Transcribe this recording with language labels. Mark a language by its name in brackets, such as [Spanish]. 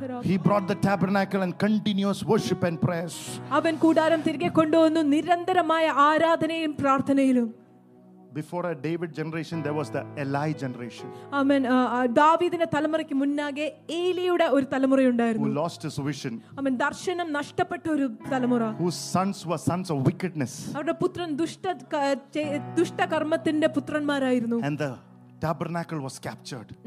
[English] He brought the tabernacle and continuous worship and prayers. [Malayalam] അവൻ കൂടാരം തിരികെ കൊണ്ടുവന്നു നിരന്തരമായ ആരാധനയും പ്രാർത്ഥനയിലും. [English] Before a David generation there was the Eli generation. Amen. [Malayalam] ദാവീദിന്റെ തലമുറയ്ക്ക് മുന്നാകെ ഏലിയുടെ ഒരു തലമുറ ഉണ്ടായിരുന്നു. [English] Who lost his vision. [Malayalam] Amen. ദർശനം നഷ്ടപ്പെട്ട ഒരു തലമുറ. [English] Whose sons were sons of wickedness. [Malayalam] അവരുടെ പുത്രൻ ദുഷ്ടകർമ്മത്തിന്റെ പുത്രന്മാരായിരുന്നു. [English] And the tabernacle was captured.